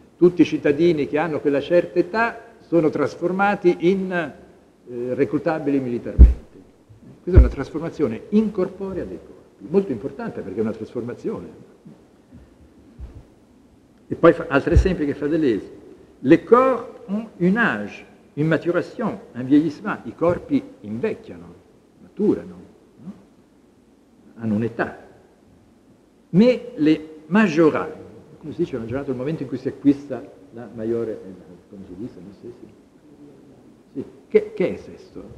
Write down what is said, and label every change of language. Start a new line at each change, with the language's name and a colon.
Italian: Tutti i cittadini che hanno quella certa età sono trasformati in reclutabili militarmente. Questa è una trasformazione incorporea dei corpi. molto importante perché è una trasformazione. E poi altri esempi che fa Deleuze.
French: Le corps ont un âge, une maturation, un vieillissement.
Italian: I corpi invecchiano, maturano, no? Hanno un'età.
French: Mais les majorats,
Italian: come si dice, maggiorato il momento in cui si acquista la maggiore, come si dice, non so, sì. Sì. Che è sesto?